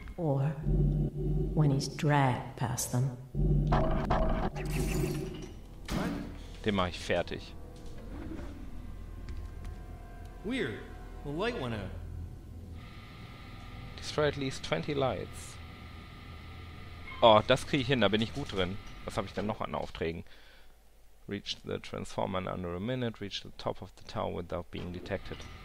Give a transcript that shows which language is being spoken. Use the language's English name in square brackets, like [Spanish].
[English] Or when he's dragged past them. What? [German] Den mach ich fertig. [English] Weird. The light went out. Destroy at least 20 lights. [German] Oh, das kriege ich hin, da bin ich gut drin. Was habe ich denn noch an Aufträgen? [English] Reach the transformer in under a minute, reach the top of the tower without being detected.